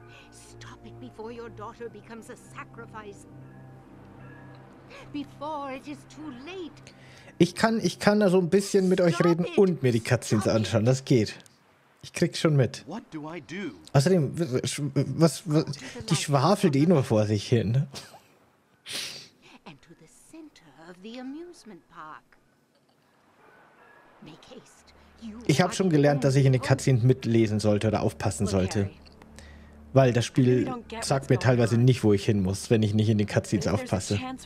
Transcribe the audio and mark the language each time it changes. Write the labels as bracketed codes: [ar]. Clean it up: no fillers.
[en] Stop it before your daughter becomes a sacrifice. Before it is too late. [de] Ich kann da so ein bisschen mit euch reden und mir die Cutscenes anschauen. Das geht. Ich krieg's schon mit. Außerdem, was die schwafel die nur vor sich hin. [en] And to the center of the amusement park. Make haste. [de] Ich habe schon gelernt, dass ich in den Cutscenes mitlesen sollte oder aufpassen sollte. Weil das Spiel sagt mir teilweise nicht, wo ich hin muss, wenn ich nicht in den Cutscenes aufpasse.